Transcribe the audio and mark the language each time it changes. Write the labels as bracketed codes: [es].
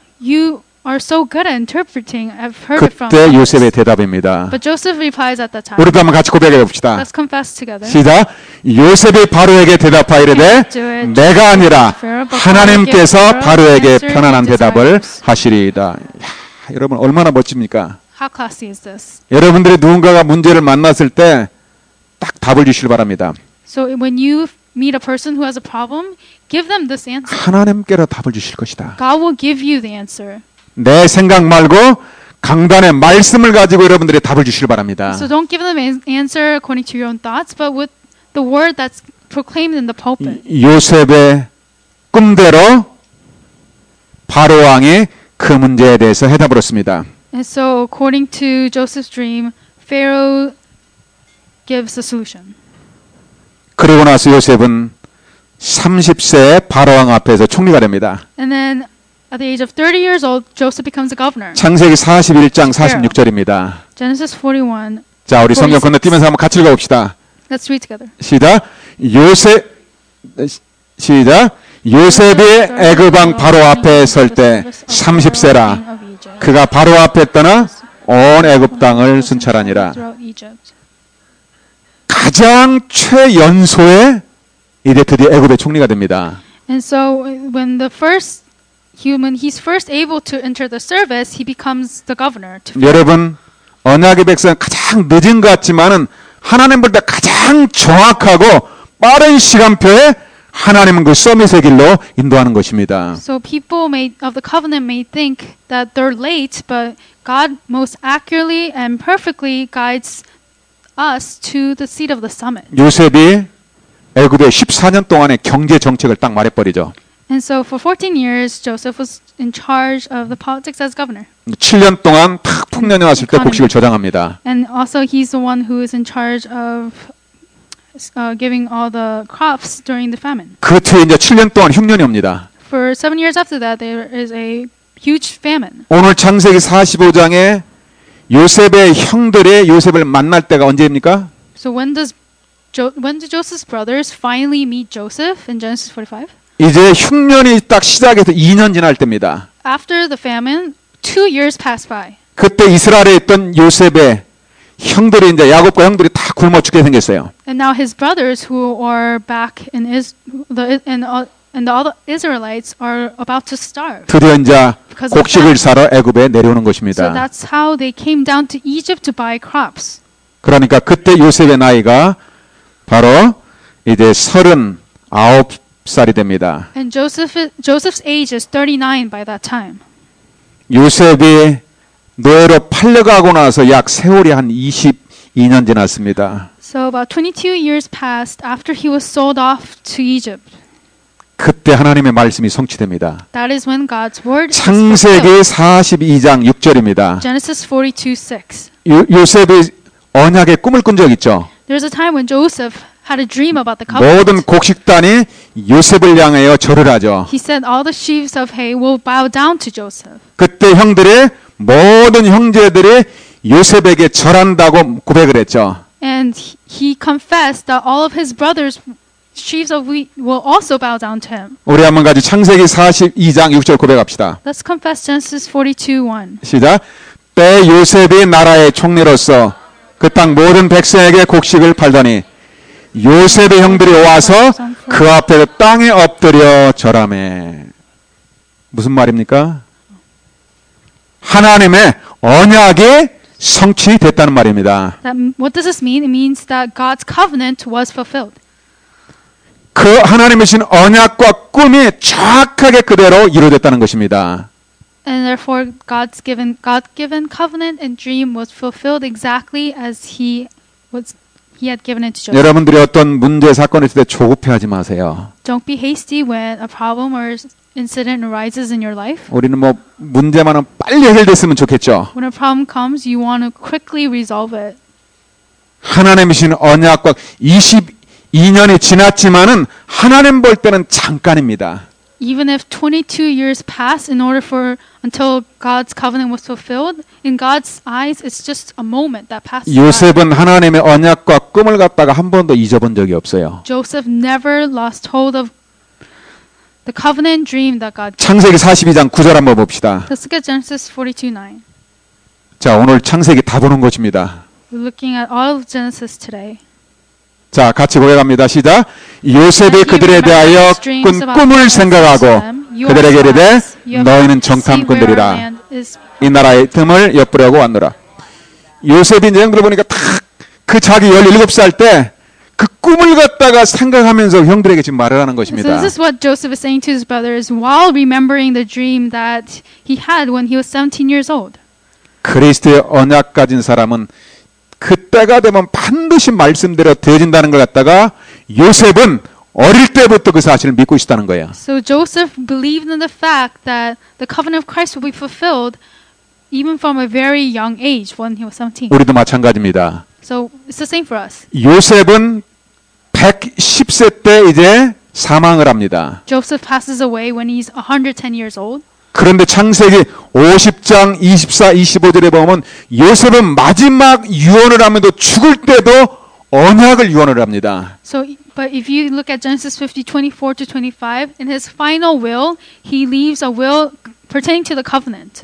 [en] You are so good at interpreting. I've heard it from you. [ko] 그때 요셉의 대답입니다. [en] But Joseph replies at that time. [ko] 우리도 한번 같이 고백해 봅시다. [en] Let's confess together. [ko] 시작. 요셉이 바로에게 대답하이르되 내가 아니라 하나님께서 바로에게 편안한 대답을 하시리이다. 야, 여러분 얼마나 멋집니까? [en] How classy is this? [ko] 여러분들이 누군가가 문제를 만났을 때 딱 답을 주시길 바랍니다. [en] So when you meet a person who has a problem, give them this answer. [ko] 하나님께서 답을 주실 것이다. [en] God will give you the answer. [ko] 내 생각 말고 강단의 말씀을 가지고 여러분들이 답을 주시길 바랍니다. [en] So don't give them an answer according to your own thoughts, but with the word that's proclaimed in the pulpit. [ko] 요셉의 꿈대로 바로 왕이 그 문제에 대해서 해답을 했습니다. [en] And so according to Joseph's dream, Pharaoh gives a solution. [ko] 그리고 나서 요셉은 30세에 바로 왕 앞에서 총리가 됩니다. [en] And then at the age of 30 years old, Joseph becomes a governor. [ko] 창세기 41장 46절입니다. [en] Genesis 41. [ko] 자, 우리 성경 건너뛰면서 한번 같이 읽어봅시다. [en] Let's read together. [ko] 시작. 요셉 시작. 요셉이 애굽 왕 바로 앞에 설 때 30세라. 그가 바로 앞에 떠나 온 애굽 땅을 순찰하니라. 가장 최연소의 이제 드디어 애굽의 총리가 됩니다. [en] And so when the first human, he's first able to enter the service, he becomes the governor. [ko] 여러분, 언약의 백성 가장 늦은 것 같지만은 하나님보다 가장 정확하고 빠른 시간표에 하나님은 그 서밋의 길로 인도하는 것입니다. [en] So people may, of the covenant may think that they're late, but God most accurately and perfectly guides us to the seat of the summit. [ko] 요셉이 애굽의 14년 동안의 경제 정책을 딱 말해버리죠. [en] And so for 14 years, Joseph was in charge of the politics as governor. [ko] 7년 동안 탁 풍년이 왔을 때 곡식을 저장합니다. [en] And also he's the one who is in charge of giving all the crops during the famine. [ko] 그 뒤에 이제 7년 동안 흉년이 옵니다. [en] For 7 years after that, there is a huge famine. [ko] 오늘 창세기 45장에 요셉의 형들의 요셉을 만날 때가 언제입니까? [en] So when do Joseph's brothers finally meet Joseph in Genesis 45? [ko] 이제 흉년이 딱 시작해서 2년 지날 때입니다. [en] After the famine, Two years passed by. [ko] 그때 이스라엘에 있던 요셉의 형들이 이제 야곱과 형들이 다 굶어 죽게 생겼어요. [en] And now his brothers who are back in and all the Israelites are about to starve. [ko] 드디어 이제 곡식을 사러 애굽에 내려오는 것입니다. [en] So that's how they came down to Egypt to buy crops. [ko] 그러니까 그때 요셉의 나이가 바로 이제 39 살이 됩니다. [en] And Joseph's age is 39 by that time. [ko] 요셉이 노예로 팔려가고 나서 약 세월이 한 22년 지났습니다. [en] So about 22 years passed after he was sold off to Egypt. [ko] 그때 하나님의 말씀이 성취됩니다. [en] That is when God's word. [ko] 창세기 42장 6절입니다. [en] Genesis 42:6. [ko] 요셉이 언약의 꿈을 꾼 적 있죠. [en] There's a time when Joseph had a dream about the covenant. [ko] 모든 곡식단이 요셉을 향하여 절을 하죠. [en] He said all the sheaves of hay will bow down to Joseph. [ko] 그때 형들의 모든 형제들이 요셉에게 절한다고 고백을 했죠. [en] And he confessed that all of his brothers sheaves of wheat will also bow down to him. [ko] 우리 한번 같이 창세기 42장 6절 고백합시다. [en] Let's confess Genesis 42:1. [ko] 시작. 때 요셉이 나라의 총리로서 그 땅 모든 백성에게 곡식을 팔더니 요셉의 형들이 와서 그 앞에 땅에 엎드려 절하매. 무슨 말입니까? 하나님의 언약이 성취됐다는 말입니다. [en] What does this mean? It means that God's covenant was fulfilled. [ko] 그 하나님의 신 언약과 꿈이 정확하게 그대로 이루어졌다는 것입니다. [en] And therefore God's given covenant and dream was fulfilled exactly as he had given it to Joseph. [ko] 여러분들이 어떤 문제 사건 있을 때 조급해하지 마세요. [en] Don't be hasty when a problem or incident arises in your life. [ko] 우리는 뭐 문제만은 빨리 해결됐으면 좋겠죠. [en] When a problem comes, you want to quickly resolve it. [ko] 하나님이신 언약과 22년이 지났지만은 하나님 볼 때는 잠깐입니다. [en] Even if 22 years pass in order for until God's covenant was fulfilled, in God's eyes, it's just a moment that passes. [ko] 요셉은 하나님의 언약과 꿈을 갖다가 한 번도 잊어본 적이 없어요. [en] Joseph never lost hold of the covenant dream that God. [ko] 창세기 42장 9절 한번 봅시다. [en] Let's look at Genesis 42:9. [ko] 자, 오늘 창세기 다 보는 것입니다. [en] We're looking at all of Genesis today. [ko] 자, 같이 고백합니다. 시작. 요셉이 그들에 대하여 꾼 꿈을 생각하고 그들에게 이르되 너희는 정탐꾼들이라. 이 나라의 틈을 엿보려고 왔노라. 요셉이 내 형들 보니까 탁 그 자기 17살 때 그 꿈을 갖다가 생각하면서 형들에게 지금 말을 하는 것입니다. [en] This is what Joseph is saying to his brothers while remembering the dream that he had when he was 17 years old. [ko] 그리스도의 언약 가진 사람은 그때가 되면 반드시 말씀대로 되어진다는 걸 갖다가 요셉은 어릴 때부터 그 사실을 믿고 있었다는 거예요. [en] So Joseph believed in the fact that the covenant of Christ will be fulfilled even from a very young age when he was 17. [ko] 우리도 마찬가지입니다. [en] So it's the same for us. [ko] 요셉은 110세 때 이제 사망을 합니다. [en] Joseph passes away when he's 110 years old. [ko] 그런데 창세기 50장 24, 25절에 보면 요셉은 마지막 유언을 하면서 죽을 때도 언약을 유언을 합니다. [en] So, but if you look at Genesis 50:24-25, in his final will, he leaves a will pertaining to the covenant.